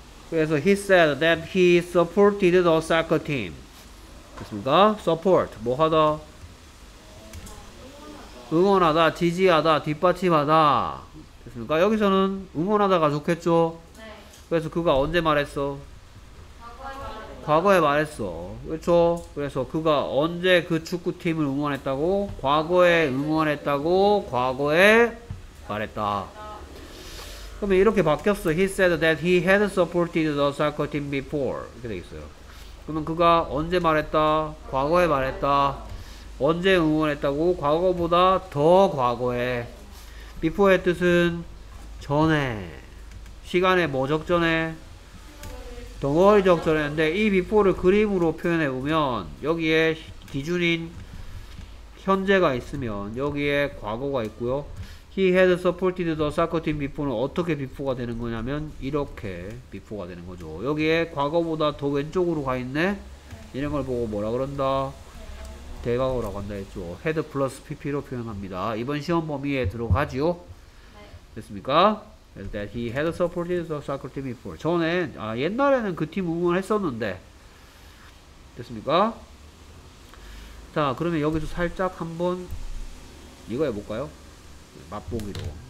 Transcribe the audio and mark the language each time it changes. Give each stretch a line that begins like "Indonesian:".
English: 그래서 he said that he supported the soccer team.
Korean: 됐습니까? support 뭐하다? 응원하다, 지지하다, 뒷받침하다. 됐습니까? 여기서는 응원하다가 좋겠죠. 그래서 그가 언제 말했어? 과거에 말했어. 그렇죠? 그래서 그가 언제 그 축구팀을 응원했다고? 과거에 응원했다고 과거에 말했다. 그러면 이렇게 바뀌었어.
English: He said that he had supported the soccer team before.
Korean: 이렇게 되겠어요. 그러면 그가 언제 말했다? 과거에 말했다. 언제 응원했다고? 과거보다 더 과거에. before의 뜻은 전에. 시간의 뭐적 전에? 덩어리적 전에인데 이 before를 그림으로 표현해 보면 여기에 기준인 현재가 있으면 여기에 과거가 있고요.
English: He had supported the soccer team before
Korean: 는 어떻게 before가 되는 거냐면 이렇게 before가 되는 거죠. 여기에 과거보다 더 왼쪽으로 가 있네? 이런 걸 보고 뭐라 그런다? 대과거라고 한다 했죠. had plus pp로 표현합니다. 이번 시험 범위에 들어가지요. 됐습니까?
English: that he had supported the soccer team before.
Korean: 전에, 아, 옛날에는 그 팀 응원했었는데. 됐습니까? 자, 그러면 여기서 살짝 한번 이거 해볼까요? 맛보기로.